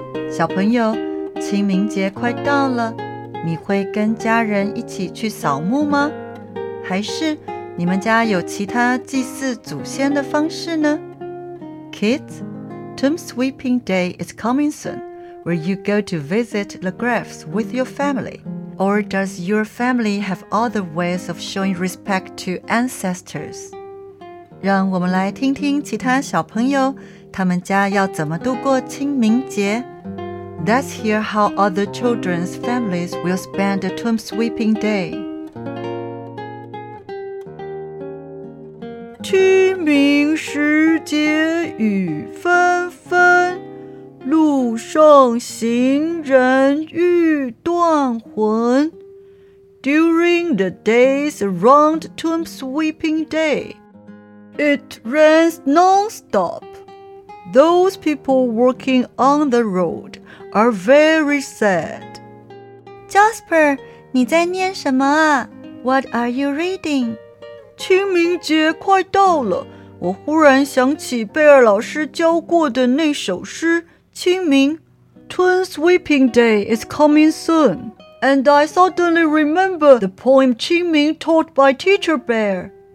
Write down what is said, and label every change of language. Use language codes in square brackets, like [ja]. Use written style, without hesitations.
[zh] 小朋友，清明节快到了，你会跟家人一起去扫墓吗？还是你们家有其他祭祀祖先的方式呢？ [en] Kids, Tomb Sweeping Day is coming soon, where you go to visit the graves with your family. Or does your family have other ways of showing respect to ancestors? [zh] 让我们来听听其他小朋友他们家要怎么度过清明节。 [en] Let's hear how other children's families will spend the Tomb Sweeping Day. [zh] 清明时节雨纷纷，路上行人欲断魂。 [en] During the days around Tomb Sweeping Day, it rains non-stop. Those people working on the road are very sad. [zh] Jasper, 你在念什么啊? [en] What are you reading? [zh] 清明节快到了，我忽然想起贝尔老师教过的那首诗《清明》。 [en] Tomb Sweeping Day is coming soon, and I suddenly remember the poem 清明 taught by Teacher Bear.